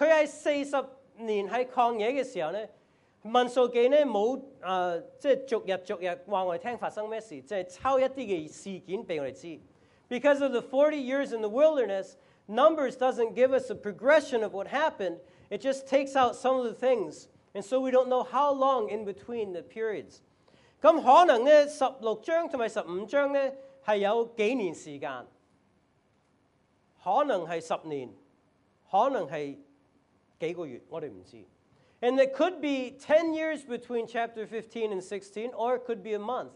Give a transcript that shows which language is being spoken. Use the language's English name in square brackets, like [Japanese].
[Chinese] 但是因為他在40年在曠野的時候呢, 民數記呢沒有逐日逐日告訴我們發生什麼事, 就是抄一些事件給我們知道。 [English] Because of the 40 years in the wilderness, Numbers doesn't give us a progression of what happened. It just takes out some of the things. And so we don't know how long in between the periods. [Chinese] 咁可能呢, 16章和15章呢, 是有幾年時間? 可能是10年, 可能是幾個月, 我們不知. [English] And it could be 10 years between chapter 15 and 16, or it could be a month.